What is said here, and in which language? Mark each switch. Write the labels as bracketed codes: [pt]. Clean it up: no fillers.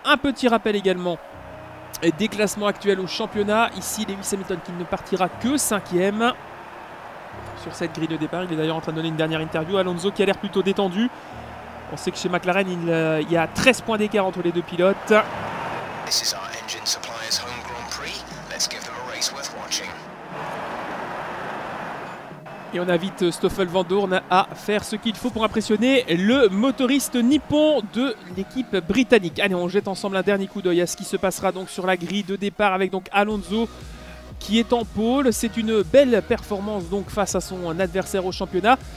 [fr] Un petit rappel également des classements actuels au championnat. Ici, Lewis Hamilton qui ne partira que 5e. Sur cette grille de départ, il est d'ailleurs en train de donner une dernière interview. Alonso qui a l'air plutôt détendu. On sait que chez McLaren, il y a 13 points d'écart entre les deux pilotes. [en] This is our engine supplier's home Grand Prix. Let's give them a race worth watching. [fr] Et on invite Stoffel Vandoorne à faire ce qu'il faut pour impressionner le motoriste nippon de l'équipe britannique. Allez, on jette ensemble un dernier coup d'œil à ce qui se passera donc sur la grille de départ avec donc Alonso qui est en pôle. C'est une belle performance donc face à son adversaire au championnat.